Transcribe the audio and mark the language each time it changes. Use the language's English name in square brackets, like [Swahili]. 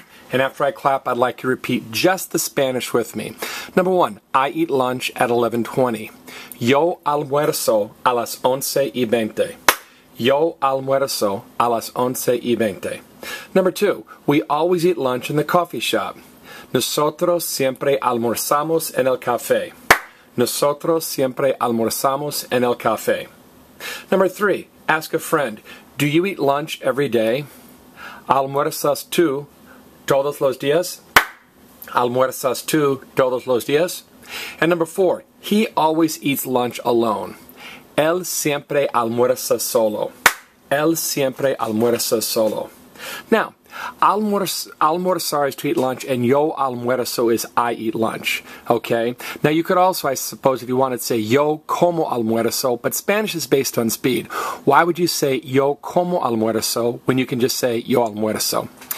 [English] And after I clap, I'd like you to repeat just the Spanish with me. Number one, I eat lunch at 11:20. [Spanish] Yo almuerzo a las 11:20. Yo almuerzo a las 11:20. [English] Number two, we always eat lunch in the coffee shop. [Spanish] Nosotros siempre almorzamos en el café. Nosotros siempre almorzamos en el café. [English] Number three, ask a friend, do you eat lunch every day? [Spanish] Almuerzas tú todos los días? Almuerzas tú todos los días? [English] And number four, he always eats lunch alone. [Spanish] Él siempre almuerza solo. Él siempre almuerza solo. [English] Now, almorzar is to eat lunch, and [Spanish] yo almuerzo [English] is I eat lunch, okay? Now, you could also, I suppose, if you wanted to say [Spanish] yo como almuerzo, [English] but Spanish is based on speed. Why would you say [Spanish] yo como almuerzo [English] when you can just say [Spanish] yo almuerzo?